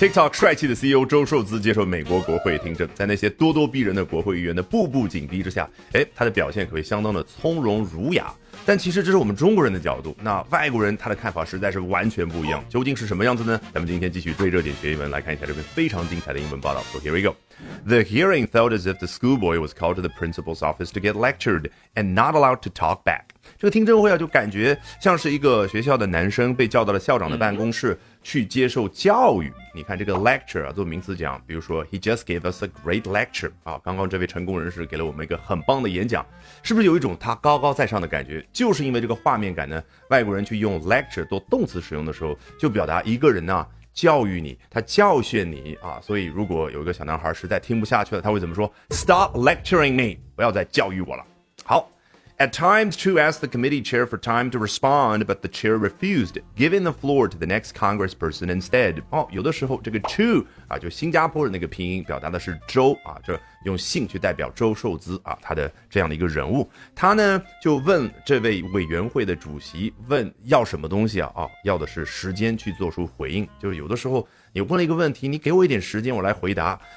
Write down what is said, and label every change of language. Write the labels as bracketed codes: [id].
[zh] TikTok 帅气的 CEO 周受资接受美国国会听证，在那些咄咄逼人的国会议员的步步紧逼之下，他的表现可谓相当的从容儒雅。但其实这是我们中国人的角度，那外国人他的看法实在是完全不一样，究竟是什么样子呢？咱们今天继续对热点学英文，来看一下这篇非常精彩的英文报道。 [en] So here we go. The hearing felt as if the schoolboy was called to the principal's office to get lectured and not allowed to talk back. [zh] 这个听证会啊，就感觉像是一个学校的男生被叫到了校长的办公室去接受教育。你看这个 lecture 啊，做名词讲，比如说 [en] he just gave us a great lecture [zh] 啊，刚刚这位成功人士给了我们一个很棒的演讲，是不是有一种他高高在上的感觉？就是因为这个画面感呢，外国人去用 lecture 做动词使用的时候，就表达一个人呢教育你，他教训你啊。所以如果有一个小男孩实在听不下去了，他会怎么说 ？ [en] Stop lecturing me， [zh] 不要再教育我了。好。 [en] At times, Chu asked the committee chair for time to respond, but the chair refused, giving the floor to the next congressperson instead. [zh] 哦，有的时候这个 Chu 啊，就新加坡人那个拼音，表达的是周啊，这用姓去代表周受资啊，他的这样的一个人物，他呢就问这位委员会的主席，问要什么东西啊？哦，要的是时间去做出回应，就是有的时候你问了一个问题，你给我一点时间，我来回答。